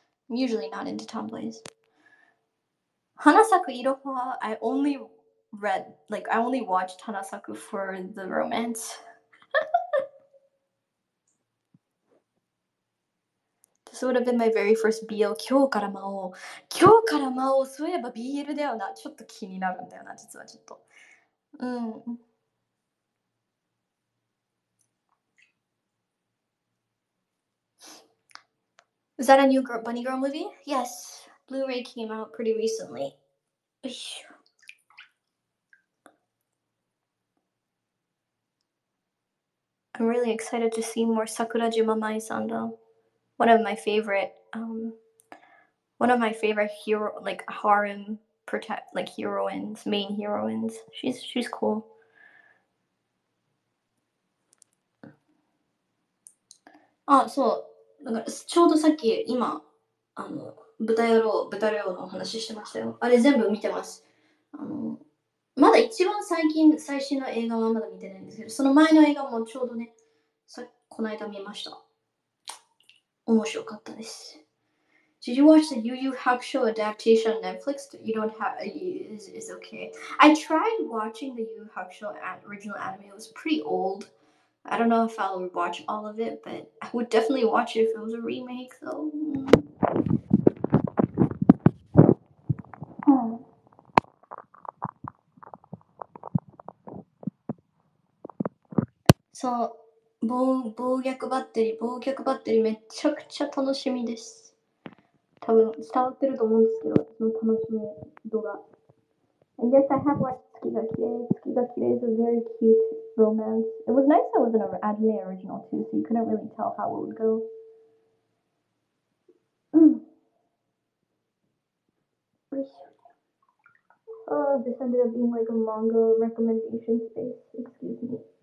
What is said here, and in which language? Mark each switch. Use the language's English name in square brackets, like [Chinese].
[English] I'm usually not into tomboys. Hanasaku Iroha, I only watched Hanasaku for the romance. This would have been my very first BL. [Japanese] 今日から魔王。今日から魔王。そういえば BL だよな。ちょっと気になるんだよな、実はちょっと。 [English] Is that a new Bunny Girl movie? Yes. Blu-ray came out pretty recently. I'm really excited to see more Sakurajima Mai-san, though. One of my favorite hero, like harem protect, like heroines, main heroines. She's cool. [Japanese] あ、そう。なんかちょうどさっき今、豚野郎の話してましたよ。あれ全部見てます。まだ一番最近、最新の映画はまだ見てないんですけど、その前の映画もちょうどね、さこの間見ました。面白かったです。 [English] Did you watch the Yu Yu Hakusho adaptation on Netflix? You don't have... It's okay. I tried watching the Yu Yu Hakusho original anime. It was pretty old. I don't know if I'll watch all of it, but I would definitely watch it if it was a remake, though. [Japanese] そう、暴虐バッテリーめちゃくちゃ楽しみです。多分伝わってると思うんですけど、その楽しみ度が。 [English] And yes, I have watched 月が綺麗。月が綺麗 is a very cute romance. It was nice that it was an anime original too, so you couldn't really tell how it would go. Oh, this ended up being like a manga recommendation space. Excuse me.